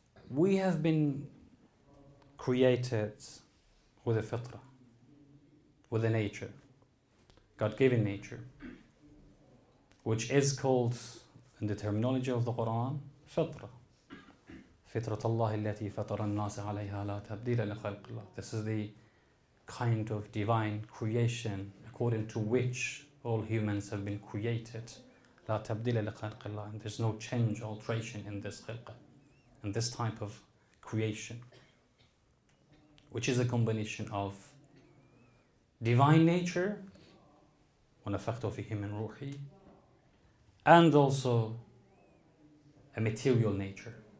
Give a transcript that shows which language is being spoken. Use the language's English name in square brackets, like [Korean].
[English] We have been created with a fitra, with a nature, God-given nature, which is called, in the terminology of the Quran, fitra. [Arabic] Fitrat Allah التي فطر الناس عليها لا تبديل لخلق الله. [English] This is the kind of divine creation according to which all humans have been created. [Arabic] لا تبديل لخلق الله. [English] And there's no change, alteration in this خلق. And this type of creation, which is a combination of divine nature, [Arabic] ونفخت في من روحي, [English] and also a material nature.